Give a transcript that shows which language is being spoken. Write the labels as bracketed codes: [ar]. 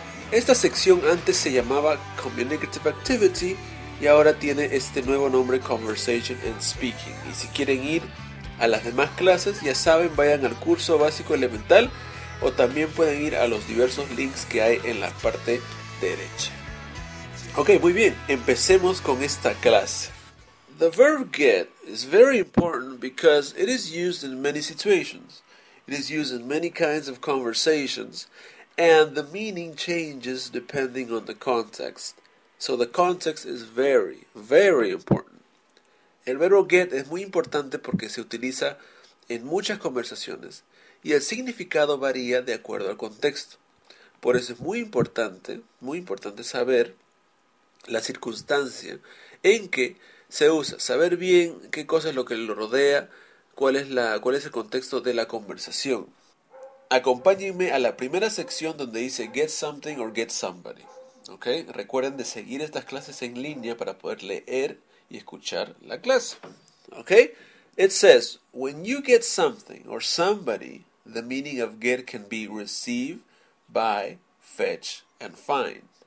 [es] Esta sección antes se llamaba Communicative Activity, y ahora tiene este nuevo nombre, Conversation and Speaking. Y si quieren ir a las demás clases, ya saben, vayan al curso básico elemental o también pueden ir a los diversos links que hay en la parte derecha. Ok, muy bien, empecemos con esta clase. [en] The verb get is very important because it is used in many situations. It is used in many kinds of conversations and the meaning changes depending on the context. So the context is very, very important. [es] El verbo get es muy importante porque se utiliza en muchas conversaciones y el significado varía de acuerdo al contexto. Por eso es muy importante saber la circunstancia en que se usa. Saber bien qué cosa es lo que lo rodea, cuál es el contexto de la conversación. Acompáñenme a la primera sección donde dice [en] get something or get somebody. [es] Okay. Recuerden de seguir estas clases en línea para poder leer y escuchar la clase. [en] Okay. It says, when you get something or somebody, the meaning of get can be receive, buy, fetch, and find.